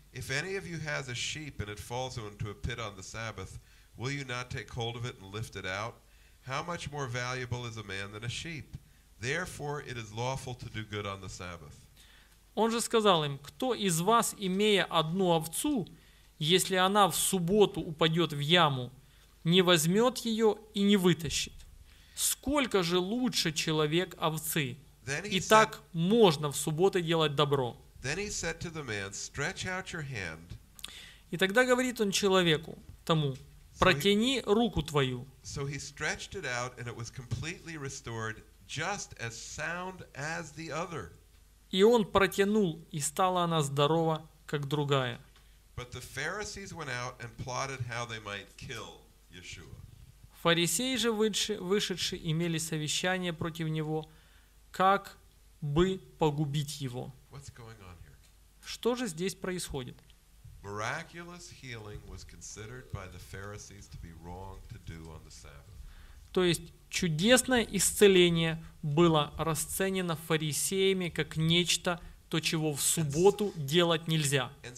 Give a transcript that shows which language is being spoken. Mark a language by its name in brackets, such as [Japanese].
[English] if any of you has a sheep and it falls into a pit on the Sabbath, will you not take hold of it and lift it out? How much more valuable is a man than a sheep? Therefore, it is lawful to do good on the Sabbath. [Russian] Он же сказал им, кто из вас, имея одну овцу, если она в субботу упадет в яму, не возьмет ее и не вытащит. Сколько же лучше человек овцы? И так можно в субботу делать добро. И тогда говорит он человеку, тому, протяни руку твою. [English] So he stretched it out, and it was completely restored, just as sound as the other. [Russian] И он протянул, и стала она здорова, как другая. [English] But the Pharisees went out and plotted how they might kill Yeshua. [Russian] Фарисеи же вышедшие имели совещание против него, как бы погубить его. [English] What's going on here? [Russian] Что же здесь происходит? [English] Miraculous healing was considered by the Pharisees to be wrong to do on the Sabbath. [Russian] То есть чудесное исцеление было расценено фарисеями как нечто, то, чего в субботу делать нельзя.